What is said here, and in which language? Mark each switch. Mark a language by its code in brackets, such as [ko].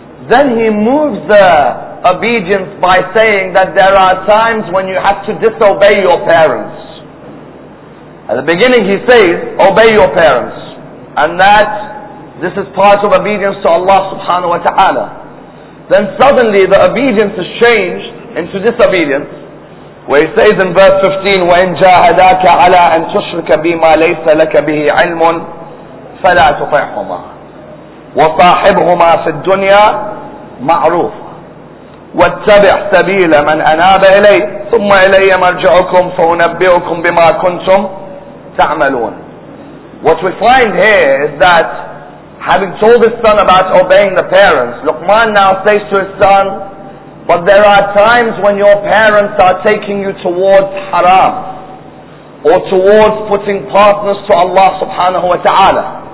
[en] Then he moves the obedience by saying that there are times when you have to disobey your parents. At the beginning he says, obey your parents. And that this is part of obedience to Allah subhanahu wa ta'ala. Then suddenly the obedience is changed into disobedience, where he says in verse 15, [ar] وَإِن جَاهَدَاكَ عَلَىٰ أَن تُشْرِكَ بِمَا لَيْسَ لَكَ بِهِ عِلْمٌ فَلَا تُطِعْهُمَا وَصَاحِبْهُمَا فِي الدُّنْيَا مَعْرُوفًا وَاتَّبِعْ سَبِيلَ مَنْ أَنَابَ إِلَيْهِ ثُمَّ إِلَيَّ مَرْجِعُكُمْ فَأُنَبِّئُكُمْ بِمَا كُنْتُمْ تَعْمَلُونَ. [en] What we find here is that having told his son about obeying the parents, Luqman now says to his son, but there are times when your parents are taking you towards haram, or towards putting partners to Allah subhanahu wa ta'ala.